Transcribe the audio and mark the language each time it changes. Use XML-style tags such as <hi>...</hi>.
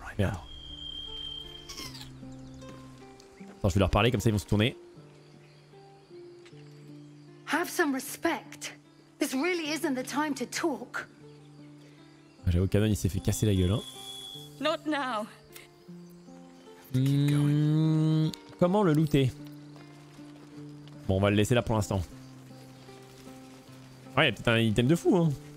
<fr>Attends, je vais leur parler, comme ça ils vont se tourner.</fr> <en>Have some respect. This really isn't the time to talk.</en> <fr>J'avoue, Canon, il s'est fait casser la gueule, hein.</fr> <en>Not now.</en> <fr>Comment le looter? Bon, on va le laisser là pour l'instant. Ouais, il y a peut-être un item de fou, hein.</fr>